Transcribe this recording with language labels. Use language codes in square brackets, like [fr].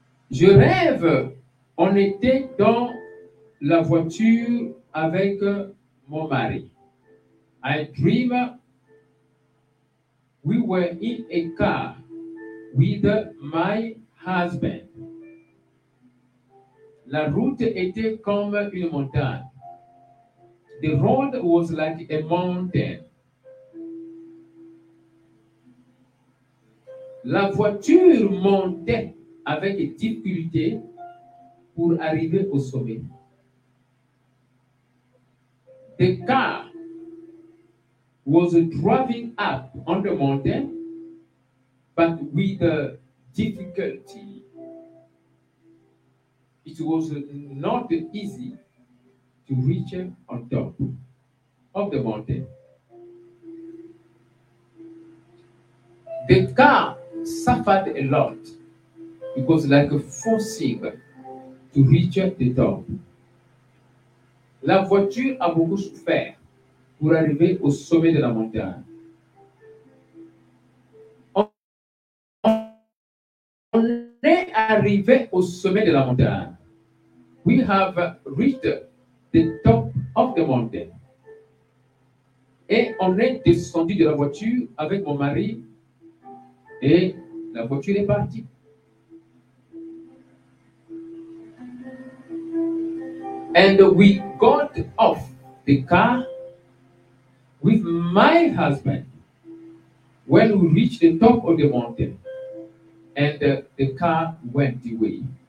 [fr] Je rêve, on était dans la voiture avec mon mari. [en] I dream we were in a car with my husband. [fr] La route était comme une montagne. [en] The road was like a mountain. [fr] La voiture montait avec difficulté pour arriver au sommet. [en] The car was driving up on the mountain, but with difficulty. It was not easy to reach on top of the mountain. The car suffered a lot. It was like forcing to reach the top. [fr] La voiture a beaucoup souffert pour arriver au sommet de la montagne. On est arrivé au sommet de la montagne. [en] We have reached the top of the mountain. [fr] Et on est descendu de la voiture avec mon mari et la voiture est partie. [en] And we got off the car with my husband when we reached the top of the mountain and the car went away.